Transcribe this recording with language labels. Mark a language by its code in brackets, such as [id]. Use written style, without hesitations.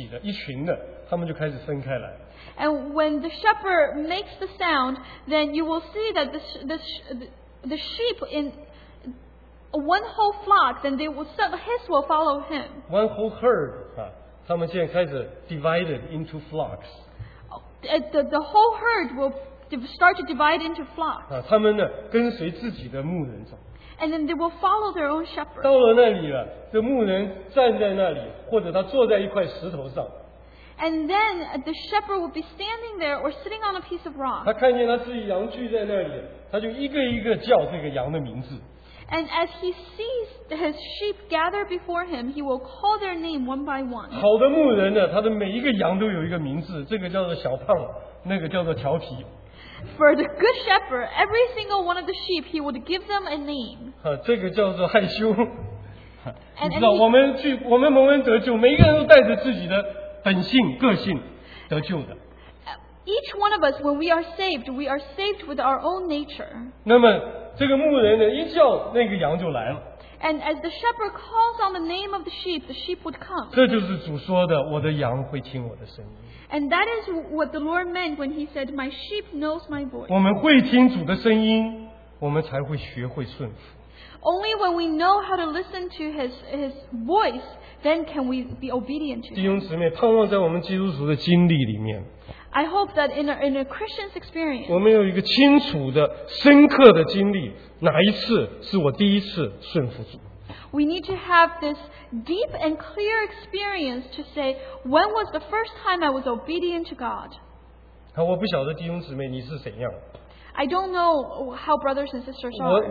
[zh] 他就发这个声音了，往一个方向走，你就看见那个羊本来一片的，好像都是一起的，一群的，他们就开始分开来。 [en] And when the shepherd makes the sound, then you will see that the sheep in one whole flock, then they will set, his will follow him. One whole herd, [zh] 他们现在开始 [en] divided into flocks. The whole herd will start to divide into flocks. [zh] 他们呢跟随自己的牧人走。 [en] And then they will follow their own shepherd. [zh] 到了那里了，这牧人站在那里，或者他坐在一块石头上。 [en] And then the shepherd will be standing there or sitting on a piece of rock. [zh] 他看见他自己羊聚在那里。他就一个一个叫这个羊的名字。And [en] as he sees his sheep gather before him, he will call their name one by one. [zh] 好的牧人呢, 他的每一个羊都有一个名字, 这个叫做小胖, 那个叫做调皮。 [en] For the good shepherd, every single one of the sheep, he would give them a name. [zh] 这个叫做害羞。你知道, 我们蒙恩得救, 每一个人都带着自己的本性个性得救的。 [en] Each one of us, when we are saved with our own nature. [zh] 那么这个牧人呢，一叫那个羊就来了。 [en] And as the shepherd calls on the name of the sheep would come. [zh] 这就是主说的，我的羊会听我的声音。 [en] And that is what the Lord meant when he said, "My sheep knows my voice." [zh] 我们会听主的声音，我们才会学会顺服。 [en] Only when we know how to listen to his voice, then can we be obedient to him. [zh] 弟兄姊妹，盼望在我们基督徒的经历里面。 [en] I hope that in a Christian's experience, [zh] 我们有一个清楚的、深刻的经历，哪一次是我第一次顺服主？ [en] We need to have this deep and clear experience to say when was the first time I was obedient to God. [zh] 好，我不晓得弟兄姊妹你是怎样。 [en] I don't know how brothers and sisters are.